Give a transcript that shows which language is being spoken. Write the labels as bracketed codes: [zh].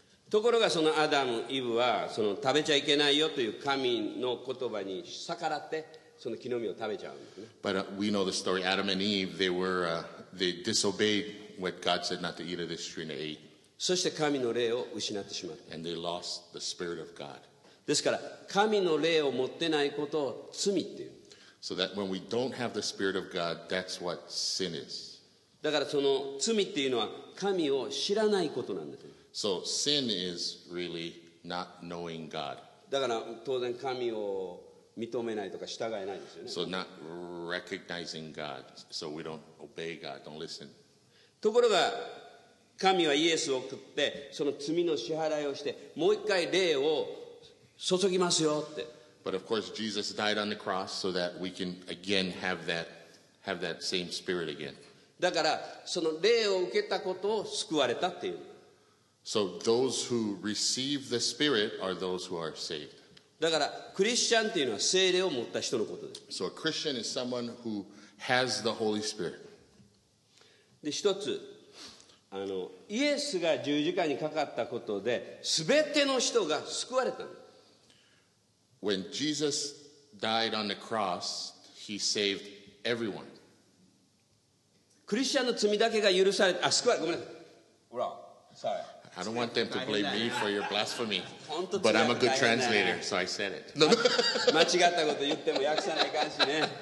[ja] ところがそのアダム、イブはその食べちゃいけないよという神の言葉に逆らってその木の実を食べちゃうんですね。 [en] But we know the story. Adam and Eve, they were... They disobeyed what God said not to eat of this tree and ate. [ja] そして神の霊を失ってしまった。 [en] And they lost the spirit of God. [ja] ですから神の霊を持ってないことを罪っていう。 [en] So that when we don't have the spirit of God, that's what sin is. [ja] だからその罪っていうのは神を知らないことなんです。 [en] So sin is really not knowing God. [ja] だから当然神を認めないとか従えないですよね。 [en] So not recognizing God, so we don't obey God, don't listen. [ja] ところが神はイエスを送ってその罪の支払いをしてもう一回霊を注ぎますよって。 [en] But of course Jesus died on the cross so that we can again have that have that same spirit again. [ja] だからその霊を受けたことを救われたっていう。 [en] So those who receive the Spirit are those who are saved. [ja] だからクリスチャンっていうのは聖霊を持った人のことです。 [en] So a Christian is someone who has the Holy Spirit. [ja] で一つ、イエスが十字架にかかったことで全ての人が救われた。 [en] When Jesus died on the cross, he saved everyone. [ja] クリスチャンの罪だけが許され、あ、救われ、ごめんなさい。 [en] Wrong. Sorry. I don't want them to blame me for your blasphemy. But I'm a good translator, so I said it. [ja] 間違ったこと言っても訳さないかんしね。